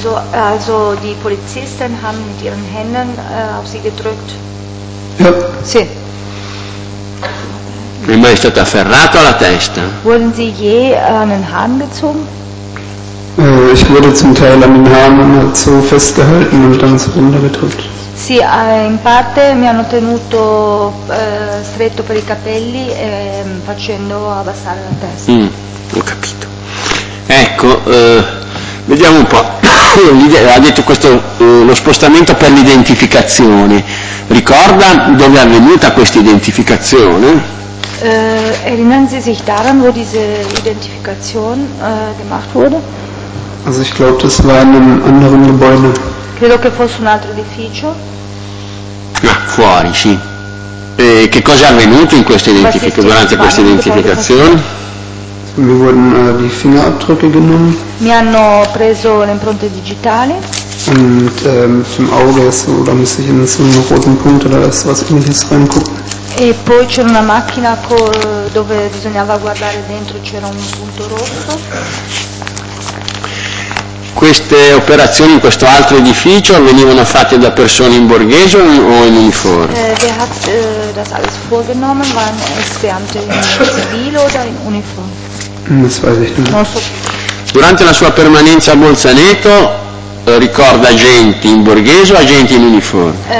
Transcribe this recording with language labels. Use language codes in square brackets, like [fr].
[de] Also di polizisten haben mit ihren Händen auf sie gedrückt. [it] Sì. È mai stato afferrato alla testa? [de] Wurden Sie je einen Hahn gezogen? Ich wurde zum Teil an den Haaren so festgehalten und dann so runtergedrückt. [it] Sì, in parte mi hanno tenuto stretto per i capelli e facendo abbassare la testa. Ho capito. Ecco, vediamo un po'. Ha detto questo lo spostamento per l'identificazione. Ricorda dove è avvenuta questa identificazione? [de] Erinnern Sie sich daran, wo diese Identifikation gemacht wurde? Also ich glaube, das war in einem anderen Gebäude. [it] Credo che fosse un altro edificio. Ah, fuori, sì. E che cosa è avvenuto in questa identificazione, durante questa identificazione? [de] Mi wurden die Fingerabdrücke genommen. [it] Mi hanno preso le impronte digitali. [de] Und zum Auge ist so, da muss ich in so einen roten Punkt oder was ähnliches reingucken. [it] E poi c'era una macchina dove bisognava guardare dentro, c'era un punto rosso. Queste operazioni in questo altro edificio venivano fatte da persone in borghese o in uniforme? [de] Das alles vorgenommen, waren es Beamte in [it] civile o in uniforme? Non so. Durante la sua permanenza a Bolzaneto ricorda agenti in borghese o agenti in uniforme?